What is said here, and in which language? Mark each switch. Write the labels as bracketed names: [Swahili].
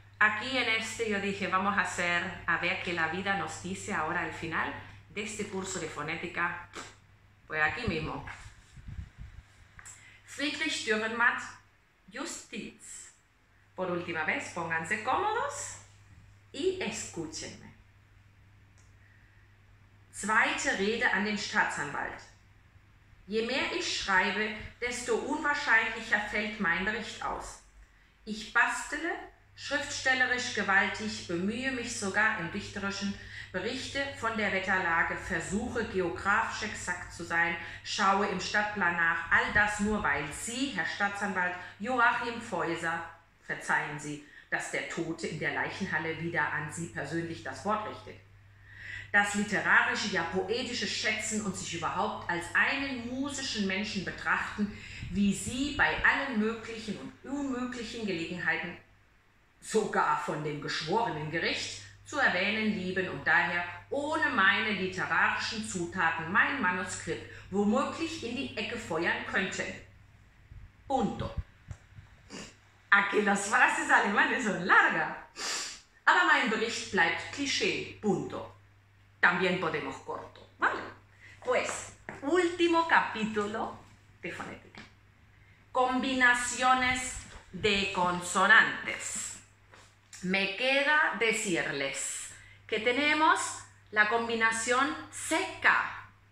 [Spanish] Aquí en este yo dije, vamos a hacer, a ver qué la vida nos dice ahora al final de este curso de fonética, pues aquí mismo. Friedrich Dürrenmatt, Justiz. Por última vez, pónganse cómodos y escúchenme. [German] Zweite Rede an den Staatsanwalt. Je mehr ich schreibe, desto unwahrscheinlicher fällt mein Bericht aus. Ich bastele, schriftstellerisch gewaltig, bemühe mich sogar im Dichterischen, berichte von der Wetterlage, versuche geografisch exakt zu sein, schaue im Stadtplan nach, all das nur, weil Sie, Herr Staatsanwalt Joachim Feuser, verzeihen Sie, dass der Tote in der Leichenhalle wieder an Sie persönlich das Wort richtet. Das literarische, ja poetische Schätzen und sich überhaupt als einen musischen Menschen betrachten, wie Sie bei allen möglichen und unmöglichen Gelegenheiten, sogar von dem geschworenen Gericht, zu erwähnen lieben und daher ohne meine literarischen Zutaten mein Manuskript womöglich in die Ecke feuern könnten. [Spanish] Punto. A que las frases alemanes son larga. [German] Aber mein Bericht bleibt Klischee. [Spanish] Punto. También podemos corto, ¿vale? Pues, último capítulo de fonética. Combinaciones de consonantes. Me queda decirles que tenemos la combinación seca.